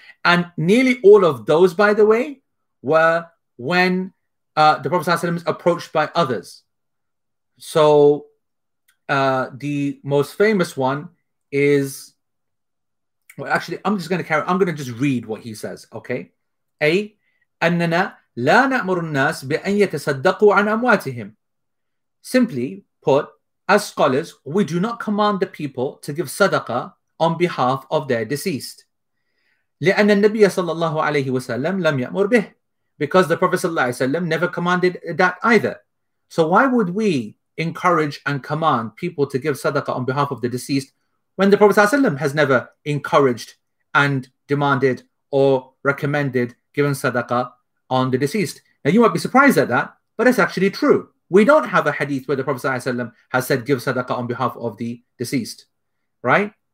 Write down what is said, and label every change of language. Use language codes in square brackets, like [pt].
[en] And nearly all of those, by the way, were when the Prophet ﷺ is approached by others. So the most famous one is, well, actually, I'm going to just read what he says, okay? [ar] أي أننا لا نأمر الناس بأن يتصدقوا عن أمواتهم. [en] Simply put, as scholars, we do not command the people to give sadaqah on behalf of their deceased. [ar] لأن النبي صلى الله عليه وسلم لم يأمر به. [en] Because the Prophet صلى الله عليه وسلم never commanded that either. So why would we encourage and command people to give sadaqah on behalf of the deceased when the Prophet صلى الله عليه وسلم has never encouraged and demanded or recommended given sadaqah on the deceased? Now you might be surprised at that, but it's actually true. We don't have a hadith where the Prophet ﷺ has said give sadaqah on behalf of the deceased, right?